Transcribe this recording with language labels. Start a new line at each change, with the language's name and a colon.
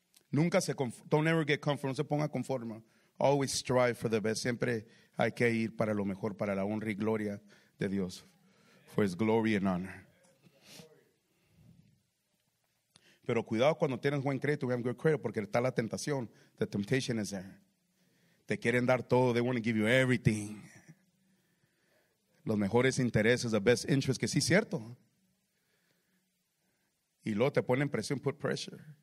Spanish: Nunca se
English: don't ever get comfortable,
Spanish: no se ponga conforme.
English: Always strive for the best,
Spanish: siempre hay que ir para lo mejor, para la honra y gloria de Dios.
English: For his glory and honor.
Spanish: Pero cuidado cuando tienes buen crédito,
English: we have good credit,
Spanish: porque está la tentación.
English: The temptation is there.
Spanish: Te quieren dar todo,
English: they want to give you everything.
Spanish: Los mejores intereses,
English: the best interest,
Spanish: que sí es cierto. Y luego te ponen presión,
English: put pressure.